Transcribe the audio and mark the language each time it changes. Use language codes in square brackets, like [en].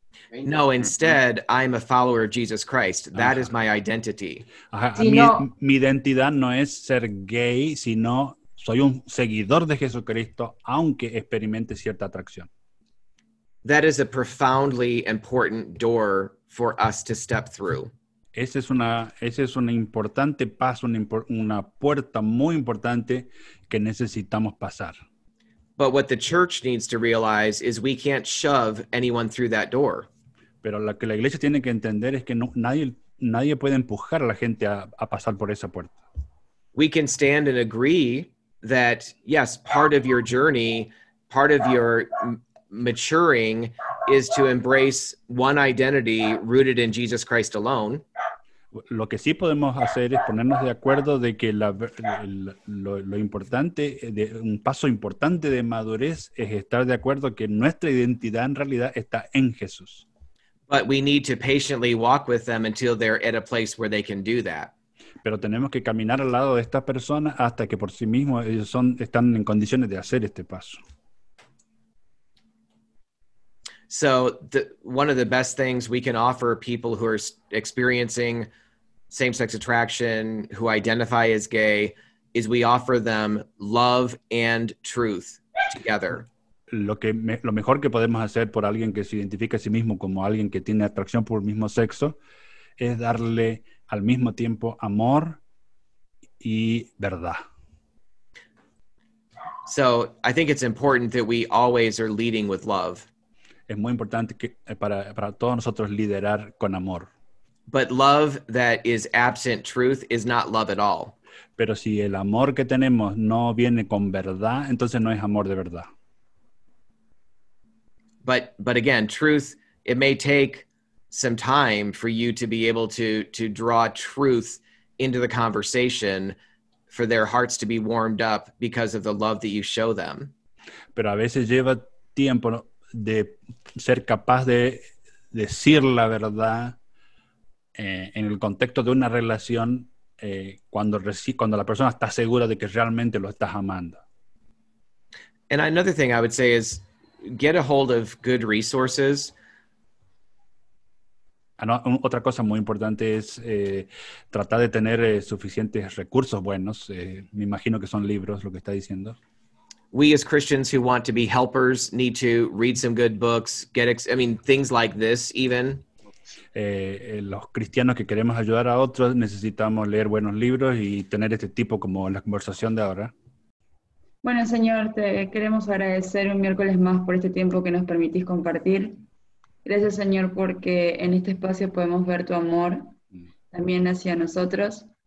[en] No, instead, I'm a follower of Jesus Christ. That is my identity. [es] Mi identidad no es ser gay, sino soy un seguidor de Jesucristo, aunque experimente cierta atracción. [en] That is a profoundly important door for us to step through. [es] Ese es una puerta muy importante que necesitamos pasar. [en] But what the church needs to realize is we can't shove anyone through that door. [es] Pero lo que la iglesia tiene que entender es que nadie puede empujar a la gente a pasar por esa puerta. [en] We can stand and agree that, yes, part of your journey, part of your maturing is to embrace one identity rooted in Jesus Christ alone. [es] Lo que sí podemos hacer es ponernos de acuerdo de que lo importante, de un paso importante de madurez es estar de acuerdo que nuestra identidad en realidad está en Jesús. [en] But we need to patiently walk with them until they're at a place where they can do that. [es] Pero tenemos que caminar al lado de esta persona hasta que por sí mismo ellos están en condiciones de hacer este paso. [en] So one of the best things we can offer people who are experiencing same-sex attraction, who identify as gay, is we offer them love and truth together. [es] Lo mejor que podemos hacer por alguien que se identifica a sí mismo como alguien que tiene atracción por el mismo sexo es darle al mismo tiempo amor y verdad. [en] So I think it's important that we always are leading with love. [es] Es muy importante que para todos nosotros liderar con amor. [en] But love that is absent truth is not love at all. [es] Pero si el amor que tenemos no viene con verdad, entonces no es amor de verdad. [en] But again, truth, it may take some time for you to be able to draw truth into the conversation for their hearts to be warmed up because of the love that you show them. [es] Pero a veces lleva tiempo de ser capaz de decir la verdad en el contexto de una relación cuando la persona está segura de que realmente lo estás amando. [en] And another thing I would say is get a hold of good resources. [es] Otra cosa muy importante es tratar de tener suficientes recursos buenos. Me imagino que son libros lo que está diciendo. [en] We as Christians who want to be helpers need to read some good books, things like this even. [es] Los cristianos que queremos ayudar a otros necesitamos leer buenos libros y tener este tipo como la conversación de ahora. Bueno, Señor, te queremos agradecer un miércoles más por este tiempo que nos permitís compartir. Gracias, Señor, porque en este espacio podemos ver tu amor también hacia nosotros.